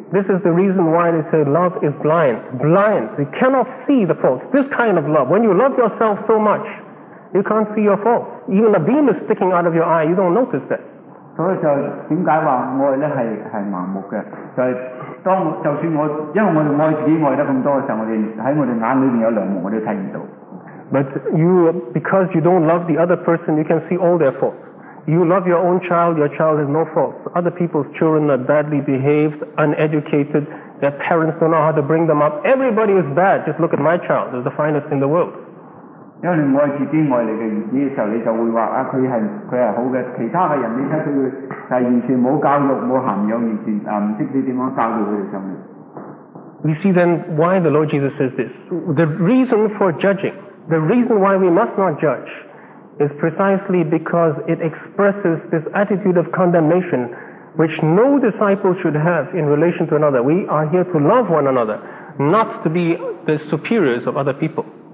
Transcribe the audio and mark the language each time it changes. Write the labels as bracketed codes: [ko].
[en] This is the reason why they say love is blind. Blind, you cannot see the faults. This kind of love, when you love yourself so much, you can't see your faults. Even a beam is sticking out of your eye, you don't notice that. [zh] 所以就為什麼愛呢 是盲目的，就是当就算我因为我们爱自己爱得那么多的时候，我们在我们眼里面有良目，我们都看不到。 [en] But you, because you don't love the other person, you can see all their faults. You love your own child, your child has no faults. Other people's children are badly behaved, uneducated, their parents don't know how to bring them up. Everybody is bad, just look at my child, they're the finest in the world. [zh] 因为你爱自己爱你的儿子的时候，你就会说他是好的，其他的人你看他会就是完全没有教育，没有涵养，完全不知道你怎样教育他的生命。 [en] You see then why the Lord Jesus says this. The reason for judging, the reason why we must not judge is precisely because it expresses this attitude of condemnation which no disciple should have in relation to another. We are here to love one another, not to be the superiors of other people.